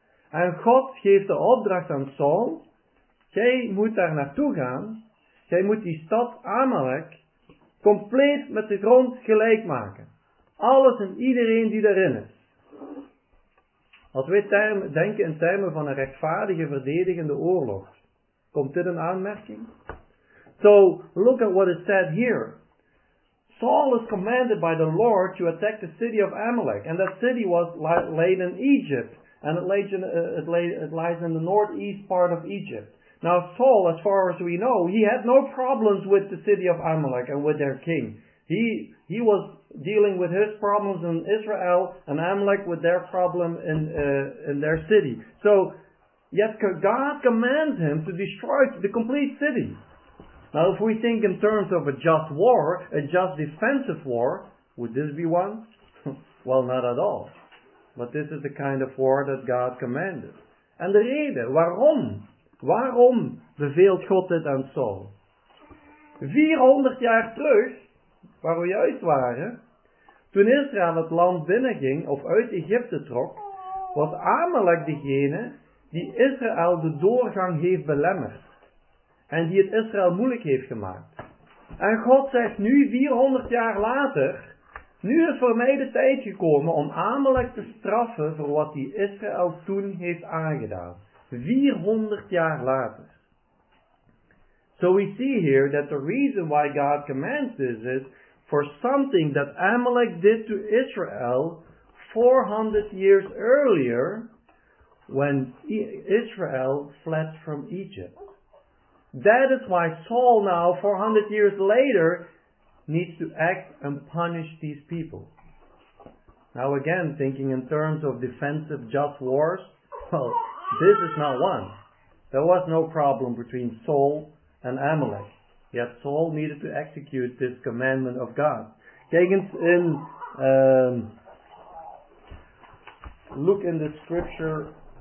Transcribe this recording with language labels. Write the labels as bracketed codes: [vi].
[nl] En God geeft de opdracht aan Saul, jij moet daar naartoe gaan, jij moet die stad Amalek compleet met de grond gelijk maken. Alles en iedereen die daarin is. Als wij denken in termen van een rechtvaardige, verdedigende oorlog, komt dit een aanmerking? [en] So, look at what is said here. Saul is commanded by the Lord to attack the city of Amalek. And that city was laid in Egypt. And it lies in the northeast part of Egypt. Now, Saul, as far as we know, he had no problems with the city of Amalek and with their king. He was dealing with his problems in Israel and Amalek with their problem in their city. So, yet God commands him to destroy the complete city. Now, if we think in terms of a just war, a just defensive war, would this be one? Well, not at all. But this is the kind of war that God commanded. And the reason, [nl] waarom? Waarom beveelt God dit aan Saul? 400 jaar terug, waar we juist waren, toen Israël het land binnenging of uit Egypte trok, was Amalek degene die Israël de doorgang heeft belemmerd en die het Israël moeilijk heeft gemaakt. En God zegt nu 400 jaar later, nu is voor mij de tijd gekomen om Amalek te straffen voor wat die Israël toen heeft aangedaan. 400 jaar later. [en] So we see here that the reason why God commands this is for something that Amalek did to Israel 400 years earlier when Israel fled from Egypt. That is why Saul now, 400 years later, needs to act and punish these people. Now again, thinking in terms of defensive just wars, well, this is not one. There was no problem between Saul and Amalek. Yet Saul needed to execute this commandment of God. [nl] Kijk eens in, [en] look in the scripture.